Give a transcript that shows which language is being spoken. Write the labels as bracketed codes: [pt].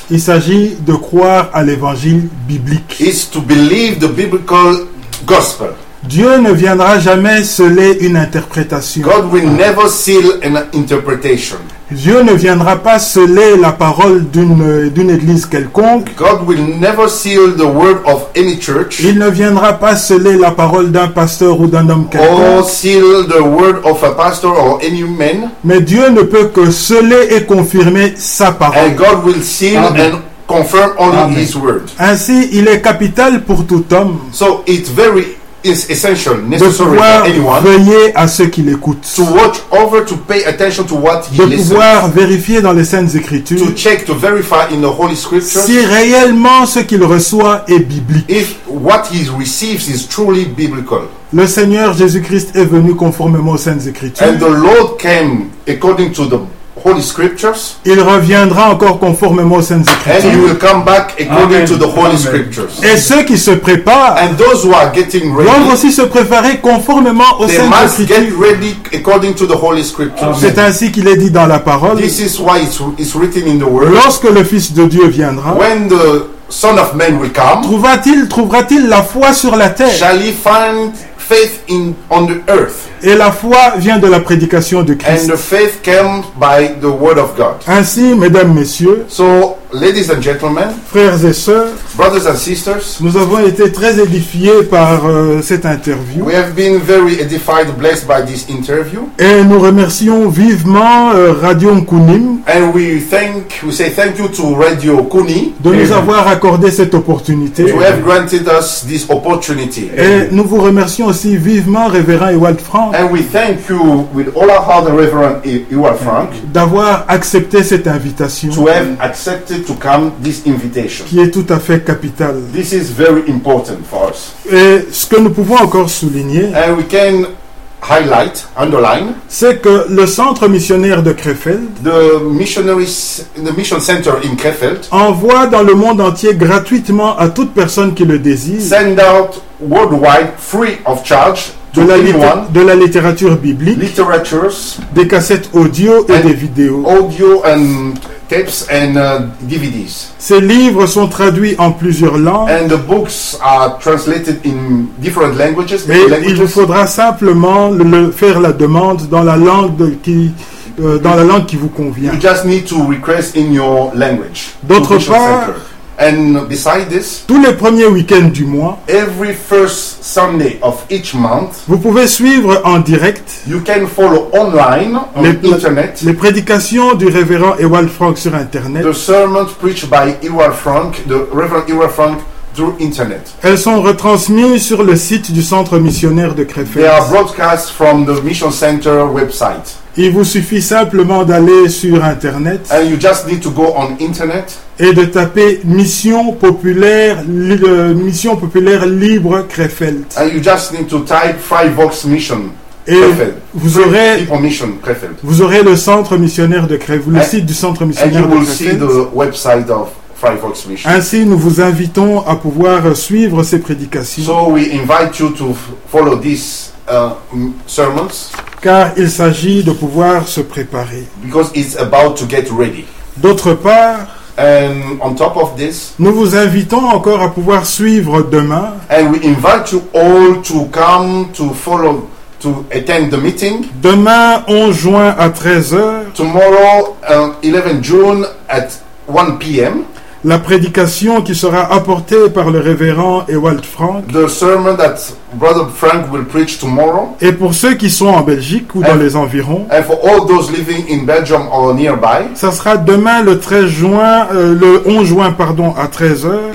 [fr] il s'agit de croire à l'évangile biblique. [en] Is to believe the biblical gospel. [fr] Dieu ne viendra jamais sceller une interprétation. [en] God will never seal an interpretation. [fr] Dieu ne viendra pas sceller la parole d'une église quelconque. [en] God will never seal the word of any church. [fr] Il ne viendra pas sceller la parole d'un pasteur ou d'un homme quelconque. [en] Or seal the word of a pastor or any man. [fr] Mais Dieu ne peut que sceller et confirmer sa parole. [en] And God will seal and confirm only his word. [fr] Ainsi, il est capital pour tout homme. [en] So it's very is essential, necessary for anyone. [fr] Veiller à ce qu'il écoute. [en] To watch over, to pay attention to what he listens. [fr] De pouvoir vérifier dans les saintes écritures. [en] To check, to verify in the Holy Scriptures. [fr] Si réellement ce qu'il reçoit est biblique. [en] If what he receives is truly biblical. [fr] Le Seigneur Jésus-Christ est venu conformément aux saintes écritures. [en] And the Lord came according to the Holy Scriptures. [fr] Il reviendra encore conformément aux saintes écritures. [en] And he will come back according Amen. To the Holy Amen. Scriptures. [fr] Et ceux qui se préparent, [en] and those who are getting ready, [fr] doivent aussi se préparer conformément aux [en] they [fr] saintes [en] must [fr] écritures. [en] Get ready according to the Holy Scriptures. Amen. [fr] C'est ainsi qu'il est dit dans la parole. [en] This is why it's written in the word. [fr] Lorsque le Fils de Dieu viendra, [en] when the Son of Man will come, [fr] trouvera-t-il la foi sur la terre? [en] Shall he find faith in on the earth. [fr] Et la foi vient de la prédication de Christ. [en] And the faith came by the word of God. [fr] Ainsi, mesdames, messieurs, [en] so, ladies and gentlemen, [fr] frères et sœurs, [en] brothers and sisters, [fr] nous avons été très édifiés par cette interview. [en] We have been very edified, blessed by this interview. [fr] Et nous remercions vivement Radio Nkunim. [en] And we say thank you to Radio Kuni [fr] de nous avoir accordé cette opportunité. [en] To have granted us this opportunity. [fr] Et nous vous remercions aussi vivement, Révérend Ewald Frank. [en] And we thank you with all our heart, the Reverend Ewald Frank, [fr] d'avoir accepté cette invitation. [en] To have accepted to come this invitation. [fr] Qui est tout à fait capital. [en] This is very important for us. [fr] Et ce que nous pouvons encore souligner, [en] and we can highlight, underline, [fr] c'est que le centre missionnaire de Krefeld, [en] the mission center in Krefeld, [fr] envoie dans le monde entier gratuitement à toute personne qui le désire. [en] Send out worldwide free of charge. [fr] De la littérature biblique, des cassettes audio et des vidéos. [en] Audio and tapes and DVDs. [fr] Ces livres sont traduits en plusieurs langues. [en] And the books are translated in different languages. [fr] Mais il vous faudra simplement faire la demande dans la langue qui vous convient. [en] You just need to request in your language. [fr] D'autre part, [en] and beside this, [fr] tous les premiers week-ends du mois, [en] every first Sunday of each month, [fr] vous pouvez suivre en direct, [en] you can follow online on internet, [fr] les prédications du révérend Ewald Frank sur internet, [en] the sermons preached by Ewald Frank, the Reverend Ewald Frank through internet. [fr] Elles sont retransmises sur le site du centre missionnaire de Krefeld. [en] They are broadcast from the mission center website. [fr] Il vous suffit simplement d'aller sur internet, [en] and you just need to go on internet, [fr] et de taper mission populaire libre Krefeld. [en] And you just need to type Freiburg mission. [fr] Et Krefeld. Vous aurez le centre missionnaire de Krefeld, le site du centre missionnaire de Krefeld. [en] And you will see the website of Freiburg's mission. [fr] Ainsi, nous vous invitons à pouvoir suivre ces prédications. [en] So we invite you to follow these sermons. [fr] Car il s'agit de pouvoir se préparer. [en] Because it's about to get ready. [fr] D'autre part, [en] and on top of this, [fr] nous vous invitons encore à pouvoir suivre demain. [en] And we invite you all to come to follow, to attend the meeting. [fr] Demain, 11 juin à 13h. [en] Tomorrow, 11 June at 1 p.m. [fr] La prédication qui sera apportée par le révérend Ewald Frank. [en] The sermon that Brother Frank will preach tomorrow. [fr] Et pour ceux qui sont en Belgique ou dans les environs. [en] And for all those living in Belgium or nearby. [fr] Ça sera demain le 13 juin, le 11 juin pardon, à 13h.